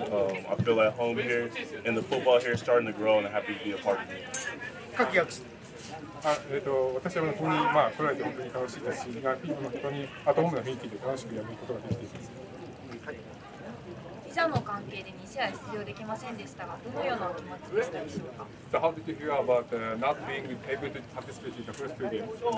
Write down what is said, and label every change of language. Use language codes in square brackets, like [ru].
[en] I feel at home here, and the football here is starting to grow, and I'm happy to be a part of it. Kakiyaku. [ja] 私はここに、まあ、来られて本当に楽しいですし、まあ、本当にアトホームな雰囲気で楽しくやることができています。はい。ビザの関係で2試合出場できませんでしたが、どのような気持ちでしたでしょうか？ [en] So how did you hear about not being able to participate in the first two games?